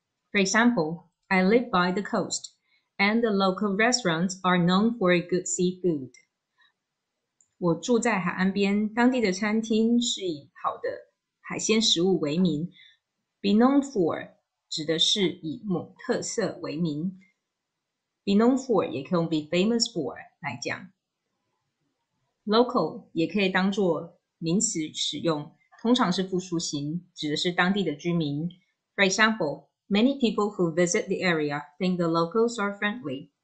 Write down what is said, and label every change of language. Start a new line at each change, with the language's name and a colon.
English: For example, I live by the coast, and the local restaurants are known for good seafood.
Chinese: 我住在海岸边，当地的餐厅是以好的海鲜食物为名。 Be known for 指的是以某特色为名。 Be known for 也可以用 be famous for 来讲。 Local 也可以当做名词使用，通常是复数型，指的是当地的居民。
English: For example, many people who visit the area think the locals are friendly.